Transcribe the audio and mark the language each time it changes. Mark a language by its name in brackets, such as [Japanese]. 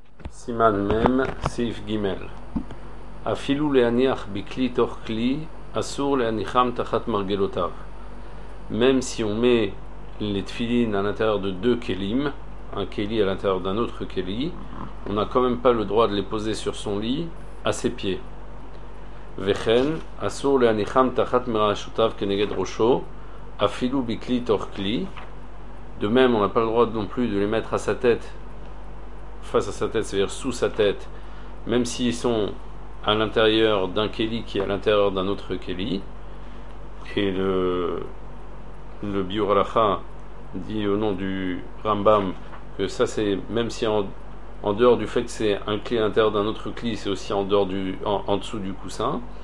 [Hebrew] סימן מם, סעיף ג' אפילו להניח בכלי תוך כלי, אסור להניחם תחת מרגלותיו. [French] Même si on met les tefillines à l'intérieur de deux kelim, un keli à l'intérieur d'un autre keli, on n'a quand même pas le droit de les poser sur son lit, à ses pieds. [Hebrew] Vechen, אסור להניחם תחת מרגלותיו כנגד ראשו, אפילו בכלי תוך כלי. [French] De même, on n'a pas le droit non plus de les mettre à sa tête, face à sa tête, c'est-à-dire sous sa tête, même s'ils sont à l'intérieur d'un keli qui est à l'intérieur d'un autre keli. Et le Biur Halakha dit au nom du Rambam que ça, c'est même si en dehors du fait que c'est un kli à l'intérieur d'un autre kli, c'est aussi en dehors du en dessous du coussin.